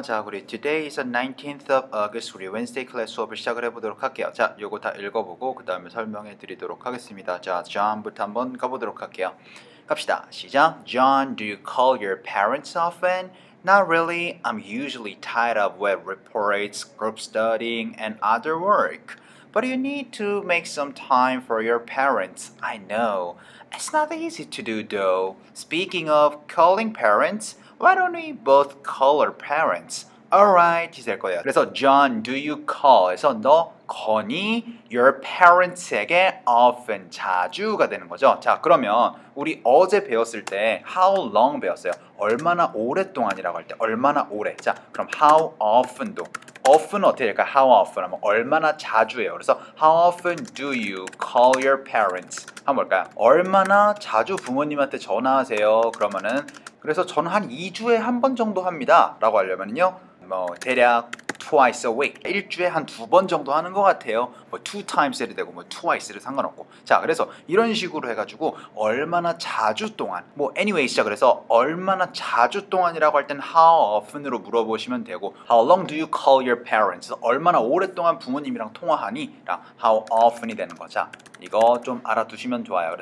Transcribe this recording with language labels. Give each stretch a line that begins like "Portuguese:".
Korean: 자, 우리
English: today is the 19th of August.
Korean: 우리 Wednesday 클래스 수업을 시작을 해보도록 할게요. 자, 요거 다 읽어보고 그 다음에 설명해 드리도록 하겠습니다. 자, John부터 한번 가보도록 할게요. 갑시다. 시작.
English: John, do you call your parents often? Not really. I'm usually tied up with reports, group studying, and other work. But you need to make some time for your parents. I know. It's not easy to do, though. Speaking of calling parents, why don't we both call our parents?
Korean: Alright, 될 거예요. 그래서 John,
English: do you call?
Korean: 해서 너 거니?
English: Your parents
Korean: 에게 often, 자주가 되는 거죠. 자, 그러면 우리 어제 배웠을 때 how long 배웠어요? 얼마나 오랫동안이라고 할 때 얼마나 오래? 자, 그럼 how often도 often 어떻게 될까요? How often 하면 얼마나 자주예요. 그래서
English: how often do you call your parents?
Korean: 한번 볼까요? 얼마나 자주 부모님한테 전화하세요? 그러면은 그래서 저는 한 2주에 한 번 정도 합니다 라고 하려면요 뭐 대략
English: twice a week
Korean: 일주에 한 두 번 정도 하는 것 같아요 뭐
English: two times
Korean: 해도 되고 뭐 twice를 상관없고 자 그래서 이런 식으로 해가지고 얼마나 자주 동안 뭐 anyways 자 그래서 얼마나 자주 동안이라고 할 땐 how often으로 물어보시면 되고
English: how long do you call your parents
Korean: 얼마나 오랫동안 부모님이랑 통화하니 랑 how often이 되는 거죠 이거 좀 알아두시면 좋아요.